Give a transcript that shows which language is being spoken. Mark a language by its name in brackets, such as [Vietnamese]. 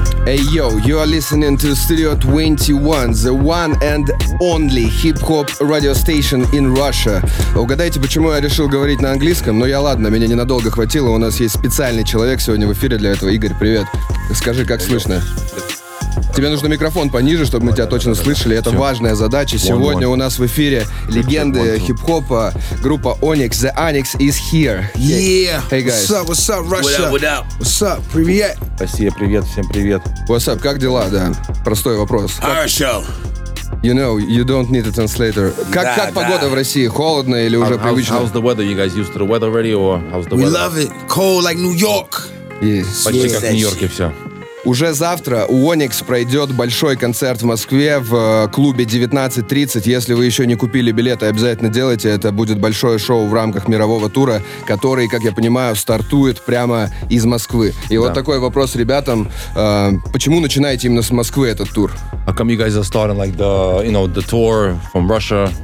[English] Hey yo, you are listening to Studio 21, the one and only hip-hop radio station in Russia. [Russian] Угадайте, почему я решил говорить на английском? Ну я ладно, меня ненадолго хватило. У нас есть специальный человек сегодня в эфире для этого. Игорь, привет. Скажи, как слышно? Тебе нужно микрофон пониже, чтобы мы тебя точно слышали. Это важная задача. Сегодня у нас в эфире легенды хип-хопа, группа Onyx. [English] The Onyx is here. Yeah. Hey guys. What's up, Russia? What's up? [Russian] Привет. Россия, привет. Всем привет. [English] What's up? [Russian] Как дела? Да. Простой вопрос. Хорошо. [English] You know, you don't need a translator. [Russian] Как погода в России? Холодно или уже привычно? [English] How's the weather? You guys used to the weather already? Or how's the weather? We love it. Cold like New York. Yes. [Russian] Почти как в Нью-Йорке все. Уже завтра у Onyx пройдет большой концерт в Москве в клубе 19.30. Если вы еще не купили билеты, обязательно делайте. Это будет большое шоу в рамках мирового тура, который, как я понимаю, стартует прямо из Москвы. И да. Вот такой вопрос ребятам. Почему начинаете именно с Москвы этот тур? [English] How come you guys are starting like the, you know, the tour from Russia?